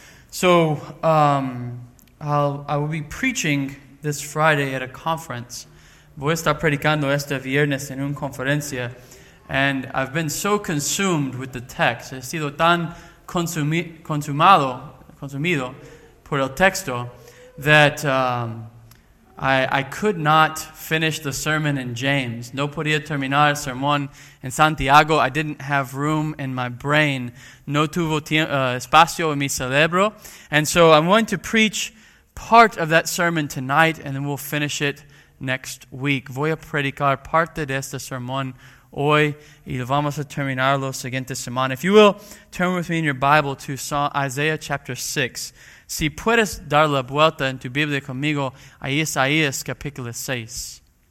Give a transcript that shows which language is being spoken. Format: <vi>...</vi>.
<en>So, I will be preaching this Friday at a conference.</en> <es>Voy a estar predicando este viernes en una conferencia.</es> <en>And I've been so consumed with the text.</en> <es>He sido tan consumido por el texto</es> <en>that I could not finish the sermon in James.</en> <es>No podía terminar el sermón en Santiago.</es> <en>I didn't have room in my brain.</en> <es>No tuvo espacio en mi cerebro.</es> <en>And so I'm going to preach part of that sermon tonight, and then we'll finish it next week.</en> <es>Voy a predicar parte de este sermón hoy, y vamos a terminarlo siguiente semana.</es> <en>If you will, turn with me in your Bible to Isaiah chapter 6.</en> <es>Si puedes dar la vuelta en tu Biblia conmigo a Isaías capítulo 6.</es>